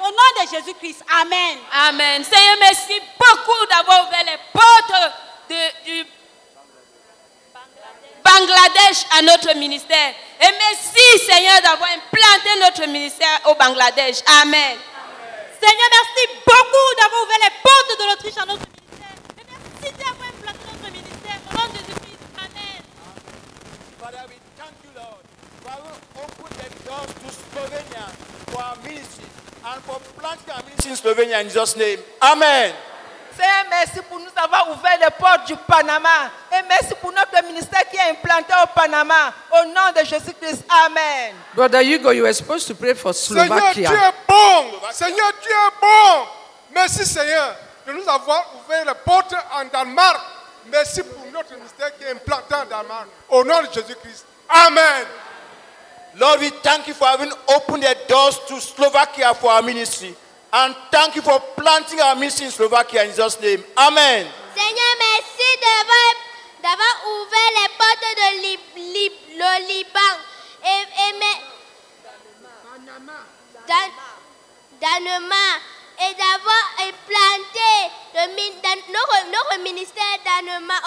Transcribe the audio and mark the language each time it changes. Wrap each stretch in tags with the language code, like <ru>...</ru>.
<fr>Au nom de Jésus-Christ, amen. Amen. Seigneur, merci beaucoup d'avoir ouvert les portes du Bangladesh à notre ministère. Et merci, Seigneur, d'avoir implanté notre ministère au Bangladesh. Amen. Amen. Seigneur, merci beaucoup d'avoir ouvert les portes de l'Autriche à notre ministère. Et merci d'avoir implanté notre ministère au nom de Jésus-Christ.</fr> <en>Father, we thank you, Lord. Father, open the door to Slovenia for our ministry and praying in Jesus' name. Amen.</en> <fr>Seigneur, merci pour nous avoir ouvert les portes du Panama. Et merci pour notre ministère qui est implanté au Panama. Au nom de Jésus-Christ. Amen.</fr> <en>Brother Hugo, you were supposed to pray for Slovakia.</en> <fr>Seigneur, tu es bon. Seigneur, tu es bon. Merci, Seigneur, de nous avoir ouvert les portes en Danemark. Merci pour notre ministère qui est implanté en Danemark. Au nom de Jésus-Christ. Amen.</fr> <en>Lord, we thank you for having opened the doors to Slovakia for our ministry. And thank you for planting our ministry in Slovakia in Jesus' name. Amen.</en> <fr>Seigneur, merci d'avoir ouvert les portes de le Liban. Danemark. Et d'avoir implanté notre ministère Danemark.</fr>